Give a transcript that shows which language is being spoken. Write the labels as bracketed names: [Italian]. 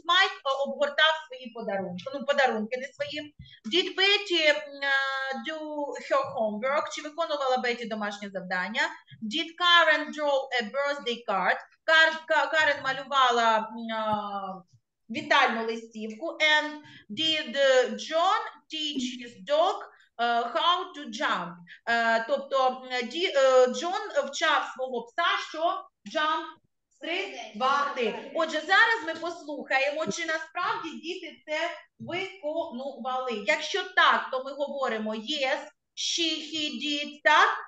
[Ukrainian] Майк обгортав свої подарунки, ну, подарунки не свої. [English] Did Betty do her homework? [Ukrainian] Чи виконувала Betty домашнє завдання? [English] Did Karen draw a birthday card? [Ukrainian] Карен малювала вітальну листівку. [English] And did John teach his dog how to jump? [Ukrainian] Тобто Джон вчав свого пса, що jump стрибати. Отже, зараз ми послухаємо, чи насправді діти це виконували. Якщо так, то ми говоримо yes, she, he did, так?